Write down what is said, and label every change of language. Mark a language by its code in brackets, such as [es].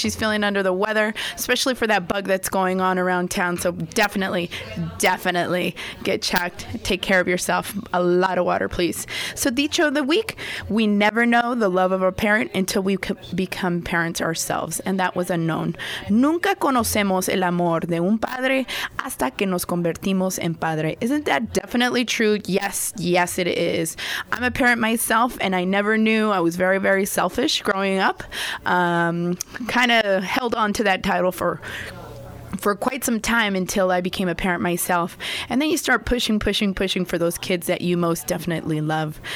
[en] She's feeling under the weather, especially for that bug that's going on around town. So definitely, definitely get checked. Take care of yourself. A lot of water, please. So dicho of the week, we never know the love of a parent until we become parents ourselves. And that was unknown. [es] Nunca conocemos el amor de un padre hasta que nos convertimos en padre. [en] Isn't that definitely true? Yes, yes, it is. I'm a parent myself, and I never knew. I was very, very selfish growing up. Kind of held on to that title for quite some time until I became a parent myself. And then you start pushing for those kids that you most definitely love.